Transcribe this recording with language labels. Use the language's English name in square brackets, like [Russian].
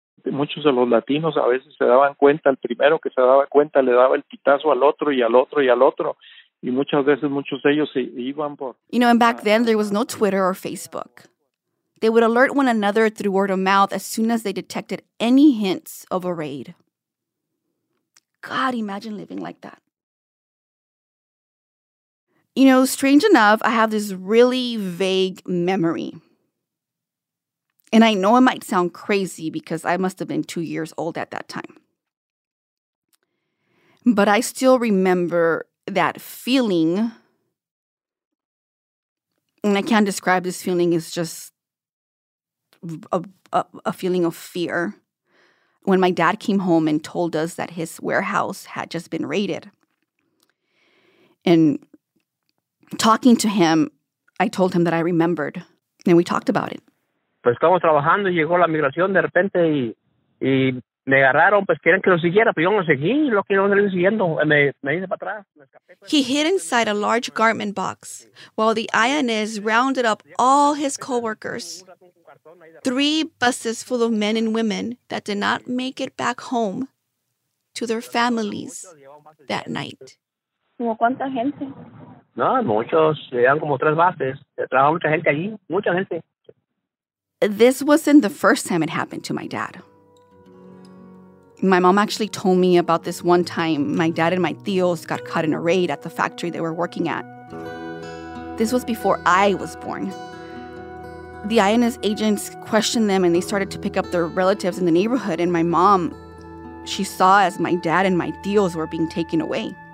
[Spanish] Muchos de los latinos a veces se daban cuenta, el primero que se daba cuenta le daba el pitazo al otro y al otro y al otro. Y muchas veces muchos de ellos se iban por... [English] You know, and back then there was no Twitter or Facebook. They would alert one another through word of mouth as soon as they detected any hints of a raid. God, imagine living like that. You know, strange enough, I have this really vague memory. And I know it might sound crazy because I must have been 2 years old at that time. But I still remember that feeling. And I can't describe this feeling. It's just a feeling of fear. When my dad came home and told us that his warehouse had just been raided. And talking to him, I told him that I remembered. And we talked about it. [Spanish] Pues estamos trabajando y llegó la migración de repente y me agarraron, pues querían que lo siguiera, pero yo no seguí, lo que no estoy siguiendo, me hice para atrás. [English] He hid inside a large garment box while the INS rounded up all his coworkers, 3 buses full of men and women that did not make it back home to their families that night. [Spanish] ¿Cómo cuánta gente? No, muchos, eran como 3 buses, trabajaba mucha gente allí, mucha gente. [English] This wasn't the first time it happened to my dad. My mom actually told me about this one time my dad and my tios got caught in a raid at the factory they were working at. This was before I was born. The INS agents questioned them and they started to pick up their relatives in the neighborhood, and my mom, she saw as my dad and my tios were being taken away.